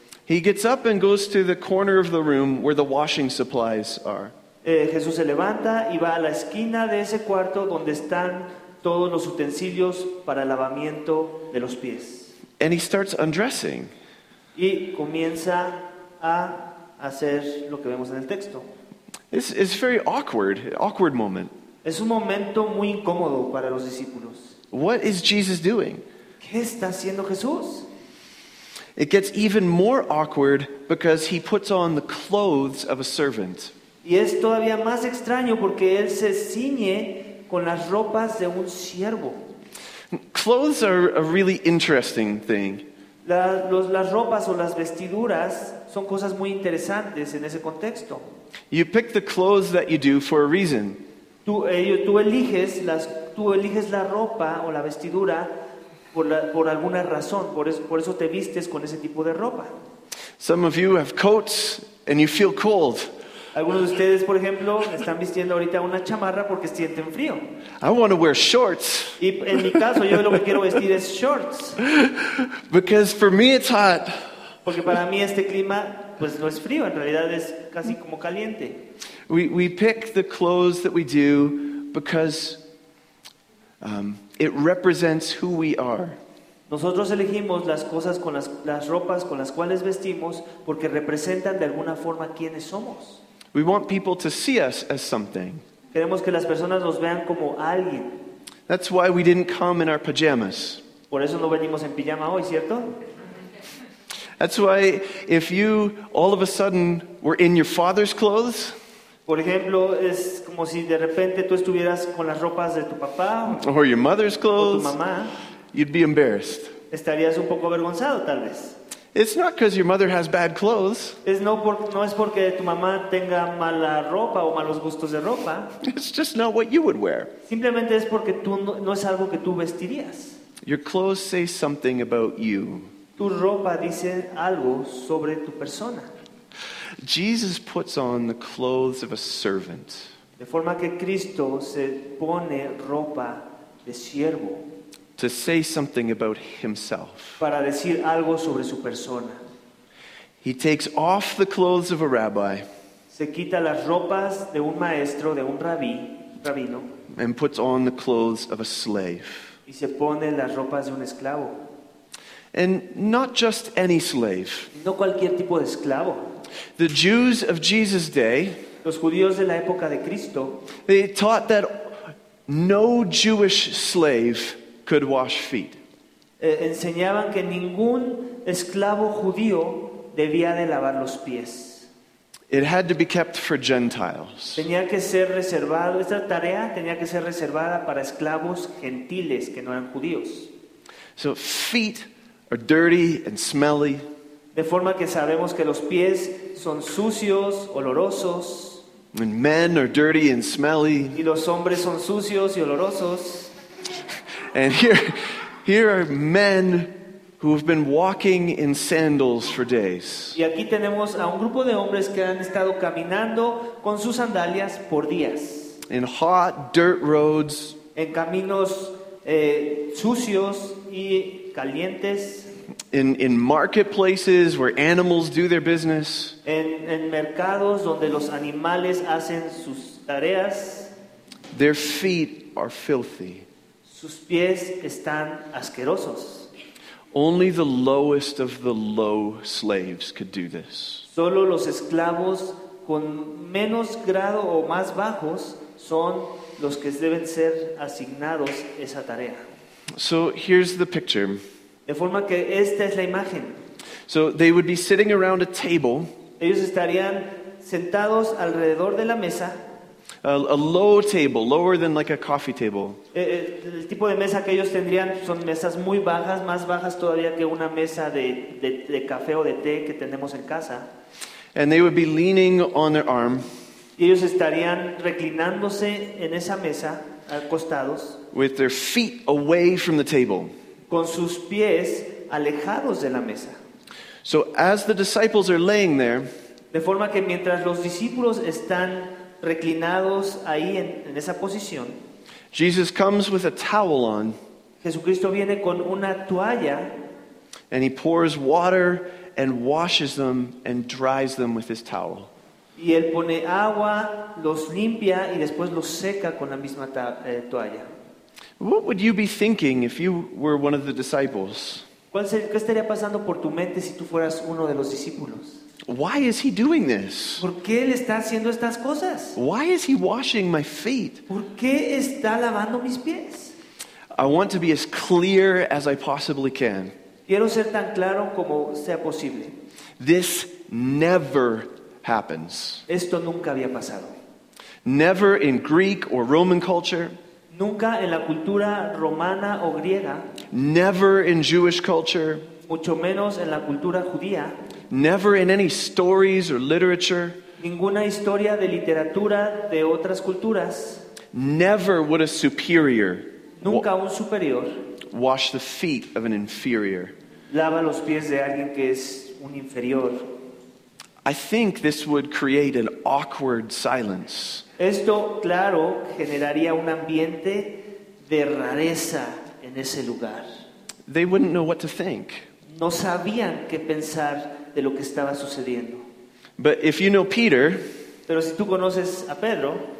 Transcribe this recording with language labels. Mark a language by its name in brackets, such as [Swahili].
[English] He gets up and goes to the corner of the room where the washing supplies are. [Spanish] Jesús se levanta y va a la esquina de ese cuarto donde están todos los utensilios para el lavamiento de los pies. [English] And he starts undressing. [Spanish] Y comienza a hacer lo que vemos en el texto. [English] It's very awkward, awkward moment. [Spanish] Es un momento muy incómodo para los discípulos. [English] What is Jesus doing? [Spanish] ¿Qué está haciendo Jesús? [English] It gets even more awkward because he puts on the clothes of a servant. [Spanish] Y es todavía más extraño porque él se ciñe con las ropas de un siervo. [English] Clothes are a really interesting thing. [Spanish] Las ropas o las vestiduras son cosas muy interesantes en ese contexto. [English] You pick the clothes that you do for a reason. [Spanish] Tú eliges la ropa o la vestidura por alguna razón. Por eso te vistes con ese tipo de ropa. [English] Some of you have coats and you feel cold. [Spanish] Algunos de ustedes, por ejemplo, están vistiendo ahorita una chamarra porque sienten frío. [English] I want to wear shorts. [Spanish] Y en mi caso, yo lo que quiero vestir es shorts. [English] Because for me it's hot. [Spanish] Porque para mí este clima, pues no es frío, en realidad es casi como caliente. [English] We pick the clothes that we do because it represents who we are. [Spanish] Nosotros elegimos las cosas con las ropas con las cuales vestimos porque representan de alguna forma quiénes somos. [English] We want people to see us as something. [Spanish] Queremos que las personas nos vean como alguien. [English] That's why we didn't come in our pajamas. [Spanish] Por eso no venimos en pijama hoy, ¿cierto? [English] That's why if you all of a sudden were in your father's clothes. [Spanish] Por ejemplo, es como si de repente tú estuvieras con las ropas de tu papá. [English] Or your mother's clothes. [Spanish] O tu mamá. [English] You'd be embarrassed. [Spanish] Estarías un poco avergonzado, tal vez. [English] It's not because your mother has bad clothes. [Spanish] No es porque tu mamá tenga mala ropa o malos gustos de ropa. [English] It's just not what you would wear. [Spanish] Simplemente es porque tú no es algo que tú vestirías. [English] Your clothes say something about you. [Spanish] Tu ropa dice algo sobre tu persona. [English] Jesus puts on the clothes of a servant. [Spanish] De forma que Cristo se pone ropa de siervo. [English] To say something about himself. [Spanish] Para decir algo sobre su persona. [English] He takes off the clothes of a rabbi. [Spanish] Se quita las ropas de un maestro, de un rabino. [English] And puts on the clothes of a slave. [Spanish] Y se pone las ropas de un esclavo. [English] And not just any slave. [Spanish] No cualquier tipo de esclavo. [English] The Jews of Jesus' day. [Spanish] Los judíos de la época de Cristo. [English] They taught that no Jewish slave could wash feet. [Spanish] Enseñaban que ningún esclavo judío debía de lavar los pies. [English] It had to be kept for Gentiles. [Spanish] Tenía que ser reservado, esta tarea tenía que ser reservada para esclavos gentiles que no eran judíos. [English] So feet are dirty and smelly. [Spanish] De forma que sabemos que los pies son sucios, olorosos. [English] And men are dirty and smelly. [Spanish] Y los hombres son sucios y olorosos. [English] And here are men who have been walking in sandals for days. [Spanish] Y aquí tenemos a un grupo de hombres que han estado caminando con sus sandalias por días. [English] In hot dirt roads. [Spanish] En caminos sucios y calientes. [English] In marketplaces where animals do their business. [Spanish] En mercados donde los animales hacen sus tareas. [English] Their feet are filthy. [Spanish] Sus pies están asquerosos. [English] Only the lowest of the low slaves could do this. [Spanish] Solo los esclavos con menos grado o más bajos son los que deben ser asignados esa tarea. [English] So here's the picture. [Spanish] De forma que esta es la imagen. [English] So they would be sitting around a table. [Spanish] Ellos estarían sentados alrededor de la mesa. [English] a low table, lower than like a coffee table. [Spanish] El tipo de mesa que ellos tendrían son mesas muy bajas, más bajas todavía que una mesa de café o de té que tenemos en casa. [English] And they would be leaning on their arm. [Spanish] Y ellos estarían reclinándose en esa mesa, acostados. [English] With their feet away from the table. [Spanish] Con sus pies alejados de la mesa. [English] So as the disciples are laying there, [Spanish] de forma que mientras los discípulos están reclinados ahí en esa posición, [English] Jesus comes with a towel on. [Spanish] Jesucristo viene con una toalla. [English] And he pours water and washes them and dries them with his towel. [Spanish] Y él pone agua, los limpia y después los seca con la misma toalla. [English] What would you be thinking if you were one of the disciples? [Spanish] ¿Qué estaría pasando por tu mente si tú fueras uno de los discípulos? [English] Why is he doing this? [Spanish] ¿Por qué él está haciendo estas cosas? [English] Why is he washing my feet? [Spanish] ¿Por qué está lavando mis pies? [English] I want to be as clear as I possibly can. [Spanish] Quiero ser tan claro como sea posible. [English] This never happens. [Spanish] Esto nunca había pasado. [English] Never in Greek or Roman culture. [Spanish] Nunca en la cultura romana o griega. [English] Never in Jewish culture. [Spanish] Mucho menos en la cultura judía. [English] Never in any stories or literature. [Spanish] Ninguna historia de literatura de otras culturas. [English] Never would a superior. [Spanish] Nunca un superior. [English] Wash the feet of an inferior. [Spanish] Lava los pies de alguien que es un inferior. [English] I think this would create an awkward silence. [Spanish] Esto, claro, generaría un ambiente de rareza en ese lugar. [English] They wouldn't know what to think. [Spanish] No sabían qué pensar de lo que estaba sucediendo. [English] But if you know Peter, [Spanish] pero si tú conoces a Pedro,